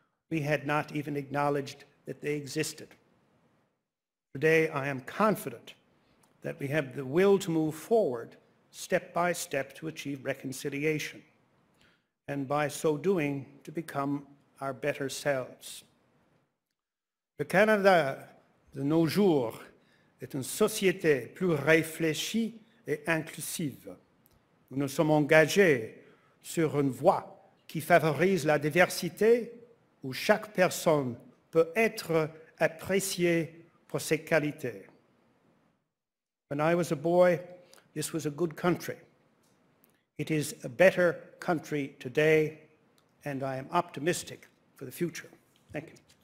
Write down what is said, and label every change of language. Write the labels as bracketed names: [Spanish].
[English] We had not even acknowledged that they existed. Today, I am confident that we have the will to move forward step by step to achieve reconciliation, and by so doing, to become our better selves. [French] Le Canada de nos jours est une société plus réfléchie et inclusive. Nous nous sommes engagés sur une voie qui favorise la diversité, où chaque personne peut être appréciée pour ses qualités. [English] When I was a boy, this was a good country. It is a better country today, and I am optimistic for the future. Thank you.